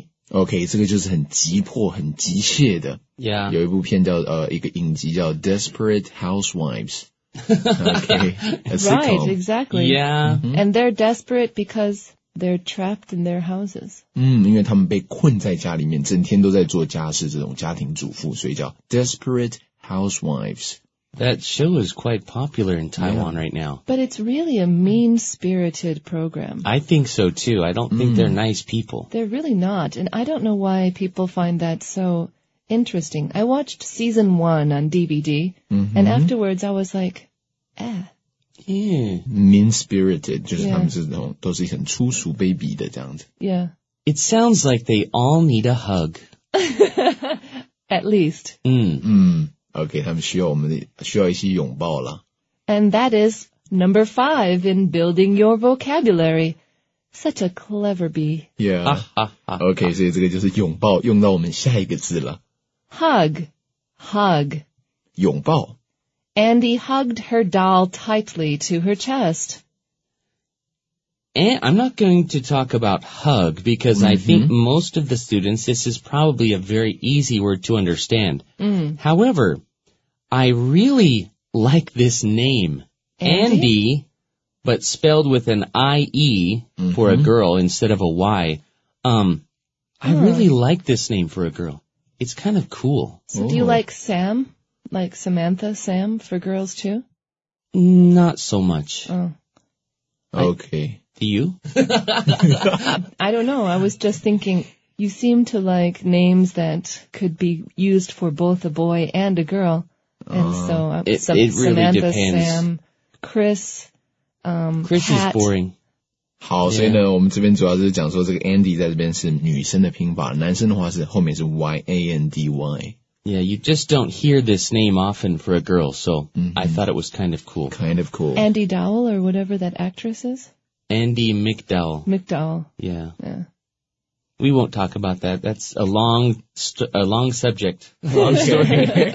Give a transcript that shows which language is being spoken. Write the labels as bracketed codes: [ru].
[zh] Okay, 这个就是很急迫很急切的。 [en] Yeah. [zh] 有一部片叫一个影集叫 Desperate Housewives. [en] Okay, right, exactly. Yeah. And they're desperate because they're trapped in their houses. [zh] 因为他们被困在家里面整天都在做家事这种家庭主妇所以叫 desperate [en] Housewives. That show is quite popular in Taiwan right now. But it's really a mean-spirited program. I think so, too. I don't think they're nice people. They're really not. And I don't know why people find that so interesting. I watched season one on DVD, and afterwards I was like, eh. Yeah. [zh] Mean-spirited, 就是他们这种都是很粗俗卑鄙的这样子。 [en] Yeah. It sounds like they all need a hug. At least. [zh] Okay, 他们需要我们的需要一些拥抱了。 [en] And that is number five in building your vocabulary. Such a clever bee. Yeah. [zh] Okay, 所以这个就是拥抱用到我们下一个字了。 [en] Hug, hug. [zh] 拥抱。 [en] Andy hugged her doll tightly to her chest. And I'm not going to talk about hug because I think most of the students, this is probably a very easy word to understand. However, I really like this name, Andy, but spelled with an I-E for a girl instead of a Y. I really like this name for a girl. It's kind of cool. So do you like Sam? Like Samantha, Sam, for girls, too? Not so much. Okay. Do you? I don't know. I was just thinking, you seem to like names that could be used for both a boy and a girl. And so, it really Samantha, depends. Sam, Chris, Chris Pat. Is boring. [zh] 好、yeah. 所以呢我们这边主要是讲说这个 Andy 在这边是女生的拼法男生的话是后面是 Y-A-N-D-Y. [en] Yeah, you just don't hear this name often for a girl, so I thought it was kind of cool. Kind of cool. Andy Dowell or whatever that actress is? Andy McDowell. McDowell. Yeah. Yeah. We won't talk about that. That's a long, long subject. Long story.